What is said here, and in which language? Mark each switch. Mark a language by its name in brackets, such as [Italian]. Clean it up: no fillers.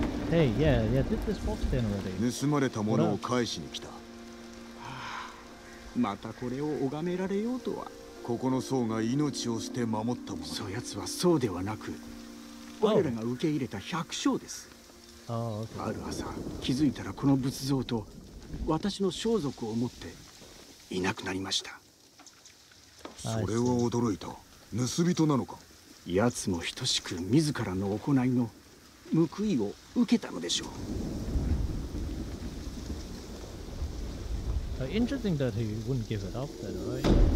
[English] Hey, yeah, yeah, did this box then already? [Japanese] またこれを拝められようとは。ここの僧が命を捨て守ったもの。そやつはそうではなく、我らが受け入れた百姓です。ある朝、気づいたらこの仏像と私の装束を持っていなくなりました。それは驚いた。盗人なのか。やつも等しく自らの行いの報いを受けたのでしょう。 [English] Interesting that he wouldn't give it up then, right?